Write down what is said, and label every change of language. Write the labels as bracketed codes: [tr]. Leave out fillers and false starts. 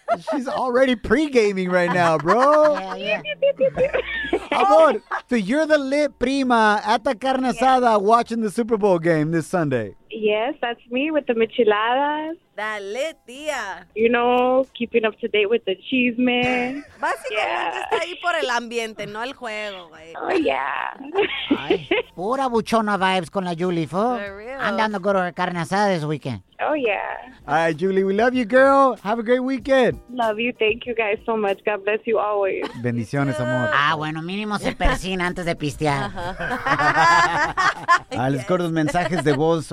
[en] She's already pre-gaming right now, bro. Yeah. Amor, so you're the lit prima at the carne asada watching the Super Bowl game this Sunday. Yes, that's me with the micheladas. [es] Dale, tía. [en] You know, keeping up to date with the chisme. [es] Básicamente está ahí por el ambiente, no el juego, güey. [en] Oh, yeah. [es] Ay, pura buchona vibes con la Julie, fo. [en] For real. I'm down to go to her carne asada this weekend. Oh, yeah. All right, Julie, we love you, girl. Have a great weekend. Love you. Thank you guys so much. God bless you always. [es] Bendiciones, amor. Ah, bueno, mínimo se persina antes de pistear. [en] Uh-huh. Let's go to the [es] mensajes de voz.